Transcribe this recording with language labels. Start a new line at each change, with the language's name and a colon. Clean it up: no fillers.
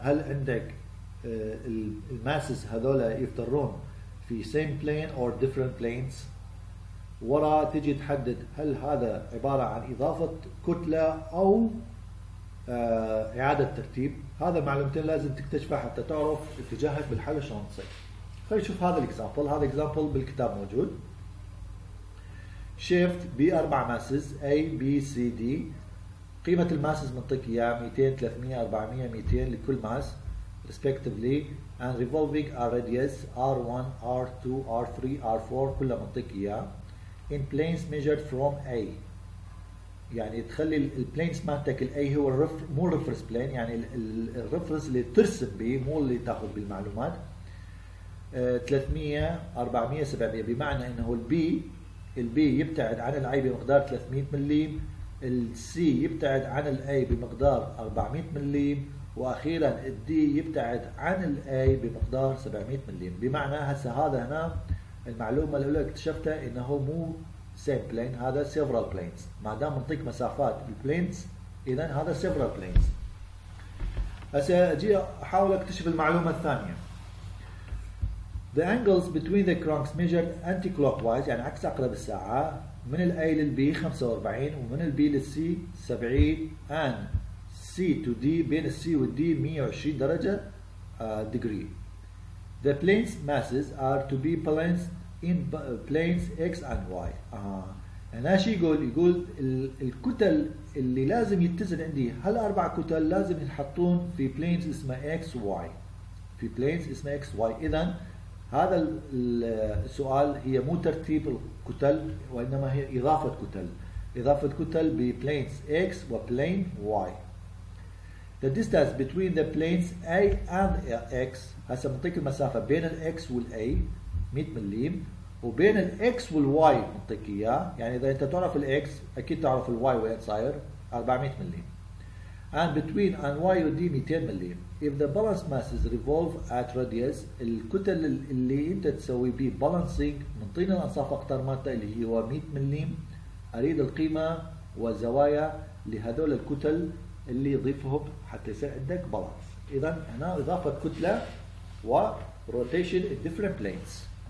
Arabic: هل عندك الماسس هذولا يفترون في
English: same plane or different planes؟
Arabic: وراء تجي تحدد هل هذا عبارة عن إضافة كتلة أو إعادة ترتيب. هذا معلومتين لازم تكتشفها حتى تعرف اتجاهك بالحل شلون تصير. خلينا نشوف هذا الإكزامبل. هذا إكزامبل بالكتاب موجود. شيفت بأربع ماسس A B C D. قيمة الماسس منطقية 200 300 400 200 لكل ماس
English: respectively and revolving a radius R1 R2 R3 R4
Arabic: كلها منطقية
English: in planes measured from A.
Arabic: يعني تخلي البلينز مالتك الاي هو الرف مو الرفرنس بلين، يعني الرفرنس اللي ترسم به مو اللي تاخذ بالمعلومات. 300 400 700 بمعنى انه البي يبتعد عن الاي بمقدار 300 مليم، السي يبتعد عن الاي بمقدار 400 مليم، واخيرا الدي يبتعد عن الاي بمقدار 700 مليم. بمعنى هسه هذا هنا المعلومه الاولى اكتشفتها انه مو
English: same plane،
Arabic: هذا
English: several planes.
Arabic: ما دام منطق مسافات planes اذا هذا
English: several planes.
Arabic: هسه اجي احاول اكتشف المعلومه الثانيه.
English: The angles between the cranks measured anti-clockwise
Arabic: يعني عكس عقرب الساعة من الـ A للـ B 45 ومن الـ B للـ C 70
English: and C to D
Arabic: بين الـ C والـ D 120 درجة degree.
English: The planes masses are to be balanced in planes X and Y.
Arabic: هنا شي يقول الكتل اللي لازم يتزن عندي هالأربع كتل لازم ينحطون في planes اسمها X Y. في planes اسمها X Y. إذا هذا السؤال هي مو ترتيب الكتل وإنما هي إضافة كتل. إضافة كتل ب planes X و plane Y.
English: The distance between the planes A and X.
Arabic: هسه منطق المسافة بين ال X وال A 100 مليم وبين ال X وال Y منطق إياه. يعني إذا أنت تعرف ال X أكيد تعرف ال Y وين صاير 400 مليم.
English: And between and Y and D
Arabic: 200 مليم.
English: If the balance masses revolve at radius,
Arabic: الكتل اللي أنت تسوي به balancing منطقين الأنصاف أقطار مالته اللي هو 100 مليم، أريد القيمة والزوايا لهذول الكتل اللي يضيفهم حتى يصير عندك بالانس. اذا هنا اضافه كتله و روتيشن ان ديفرنت بلينز.